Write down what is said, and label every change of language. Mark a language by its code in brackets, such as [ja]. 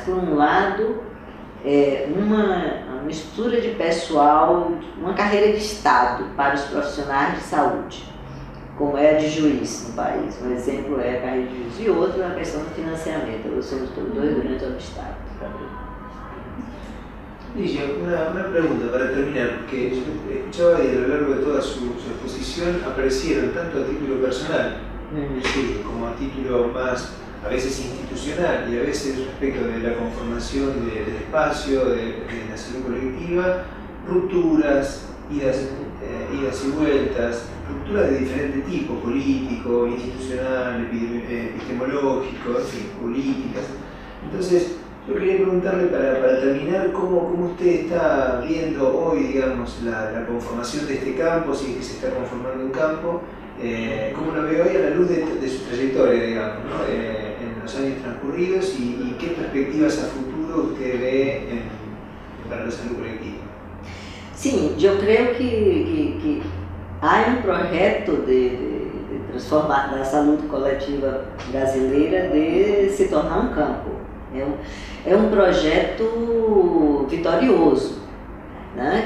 [pt] Por um lado, uma mistura de pessoal, uma carreira de Estado para os profissionais de saúde, como é a de juiz no país. Um exemplo é a carreira de juiz. E outro é a questão do financiamento. Eu sou dois grandes obstáculos para mim. [es] Ligia, una pregunta para terminar, porque yo escuchaba y a lo largo de toda su exposición aparecieron tanto a título personal como a título más a veces institucional y a veces respecto de la conformación del espacio, de la salud colectiva, rupturas, idas y vueltas, rupturas de diferente tipo, político, institucional, epistemológico, en fin, políticas. Entonces, yo quería preguntarle para terminar cómo usted está viendo hoy, digamos, la conformación de este campo, si es que se está conformando un campo, cómo lo veo hoy a la luz de su trayectoria, digamos, ¿no? En los años transcurridos y qué perspectivas a futuro usted ve para la salud colectiva. Sí, yo creo que hay un proyecto de transformar la salud colectiva [pt] brasileira de se tornar [es] un campo. [pt] É um projeto vitorioso, né?